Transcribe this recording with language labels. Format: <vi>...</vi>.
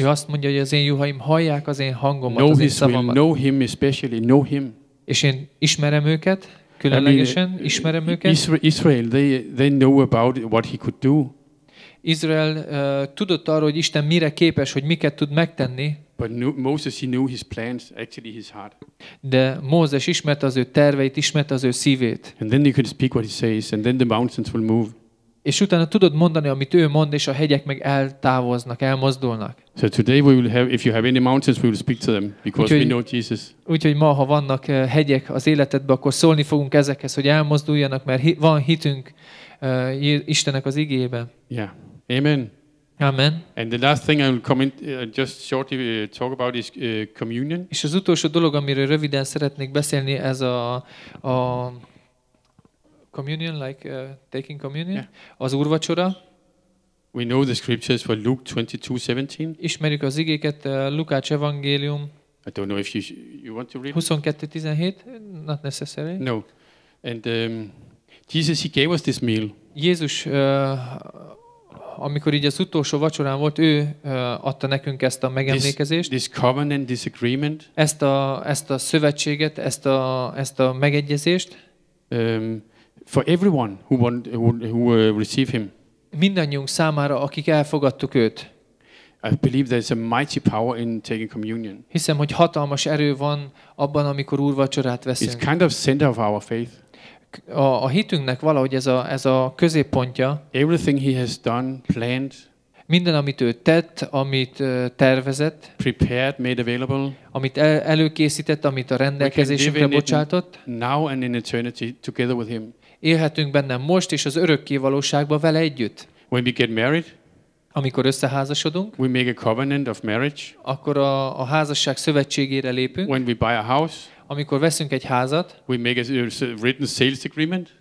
<hu>Ő azt mondja, hogy az én juhaim hallják az én hangomat, az én szavamat.</hu> <en>Know him especially, know him.</en> <hu>És én ismerem őket, különlegesen ismerem őket.</hu> <en>Israel, they know about what he could do.</en> <hu>Izrael tudott arról, hogy Isten mire képes, hogy miket tud megtenni.</hu> <en>But Moses, he knew his plans, actually his heart.</en> <hu>De Mózes ismerte az ő terveit, ismerte az ő szívét.</hu> <en>And then you can speak what he says, and then the mountains will move.</en> <hu>És utána tudod mondani, amit ő mond, és a hegyek meg eltávoznak, elmozdulnak.</hu> <en>So today we will have, if you have any mountains, we will speak to them, because we know Jesus.</en> <hu>Úgyhogy ma, ha vannak hegyek az életedben, akkor szólni fogunk ezekhez, hogy elmozduljanak, mert van hitünk Istennek az igében.</hu> <en>Yeah. Amen. Amen. And the last thing I will comment just shortly talk about is communion.</en> <hu>És az utolsó dolog, amiről röviden szeretnék beszélni, ez a</hu> <en>communion, like taking communion, yeah.</en> <hu>Az úrvacsora.</hu> <en>We know the scriptures for Luke 22:17.</en> <hu>Ismerjük az igéket, Lukács evangélium.</hu> <en>I don't know if you want to read. 22:17, not necessary. No. And Jesus, he gave us this meal.</en> <hu>Jézus amikor így az utolsó vacsorán volt, ő adta nekünk ezt a megemlékezést.</hu> <en>This covenant, this agreement.</en> <hu>Ezt a szövetséget, ezt a megegyezést.</hu> <en>For everyone who receive him.</en> <hu>Mindannyiunk számára, akik elfogadtuk őt.</hu> <en>I believe there's a mighty power in taking communion.</en> <hu>Hiszem, hogy hatalmas erő van abban, amikor úrvacsorát veszünk.</hu> <en>It's kind of center of our faith.</en> <hu>A hitünknek valahogy ez a középpontja.</hu> <en>Everything he has done, planned.</en> <hu>Minden, amit ő tett, amit tervezett.</hu> <en>Prepared, made available.</en> <hu>Amit előkészített, amit a rendelkezésünkre bocsátott.</hu> <en>Now and in eternity together with him.</en> <hu>Élhetünk benne most és az örökké valóságban vele együtt.</hu> <en>When we get married.</en> <hu>Amikor összeházasodunk.</hu> <en>We make a covenant of marriage.</en> <hu>Akkor a házasság szövetségére lépünk.</hu> <en>When we buy a house.</en> <hu>Amikor veszünk egy házat,</hu> <en>we make a written sales agreement.</en>